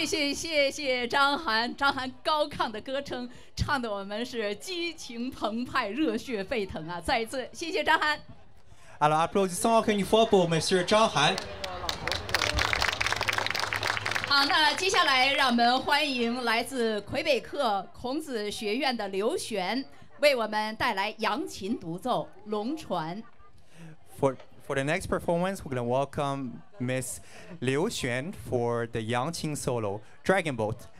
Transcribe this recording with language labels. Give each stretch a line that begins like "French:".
Chinese: 谢谢张涵，张涵高亢的歌声唱的我们是激情澎湃，热血沸腾啊！再一次谢谢张涵。
French: Alors applaudissons encore une fois pour Monsieur 张涵。
Chinese: 好，那接下来让我们欢迎来自魁北克孔子学院的刘璇为我们带来扬琴独奏《龙船》。
English: For the next performance, we're going to welcome Miss Liu Xuan for the Yangqing solo, Dragon Boat.